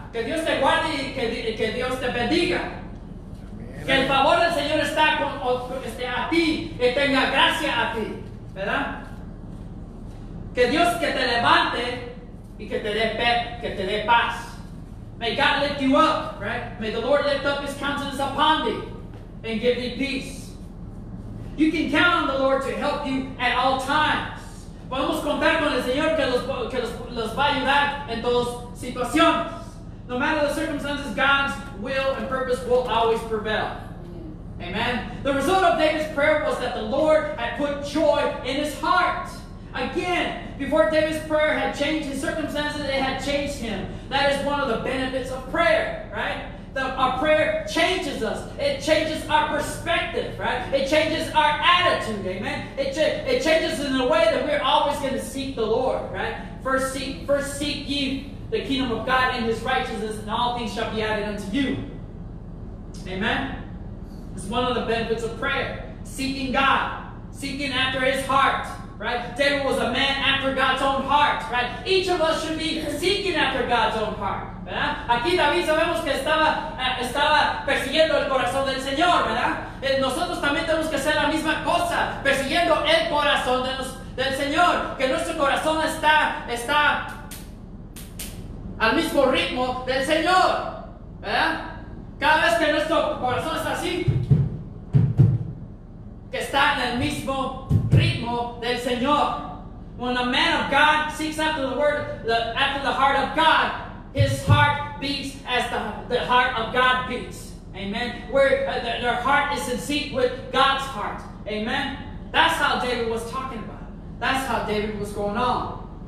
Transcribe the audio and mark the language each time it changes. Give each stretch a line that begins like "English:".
Spanish: Que Dios te guarde y que Dios te bendiga. Que el favor del Señor está a ti y tenga gracia a ti. ¿Verdad? Que Dios que te levante y que te dé paz.
English: May God lift you up, right? May the Lord lift up his countenance upon thee and give thee peace. You can count on the Lord to help you at all times. Podemos contar con el Señor que los va a ayudar en todas situaciones. No matter the circumstances, God's will and purpose will always prevail. Amen. The result of David's prayer was that the Lord had put joy in his heart. Again, before David's prayer had changed his circumstances, it had changed him. That is one of the benefits of prayer, right? Our prayer changes us. It changes our perspective, right? It changes our attitude, amen? It changes in a way that we're always going to seek the Lord, right? First seek ye the kingdom of God and his righteousness, and all things shall be added unto you. Amen? It's one of the benefits of prayer. Seeking God. Seeking after his heart. Right? David was a man after God's own heart. Right? Each of us should be seeking after God's own heart.
Spanish: ¿Verdad? Aquí David sabemos que estaba persiguiendo el corazón del Señor. ¿Verdad? Nosotros también tenemos que hacer la misma cosa, persiguiendo el corazón del Señor. Que nuestro corazón está al mismo ritmo del Señor. ¿Verdad? Cada vez que nuestro corazón está así, que está en el mismo ritmo del Señor.
English: When a man of God seeks after the word, after the heart of God, his heart beats as the heart of God beats. Amen. Where their heart is in sync with God's heart. Amen. That's how David was talking about. That's how David was going on.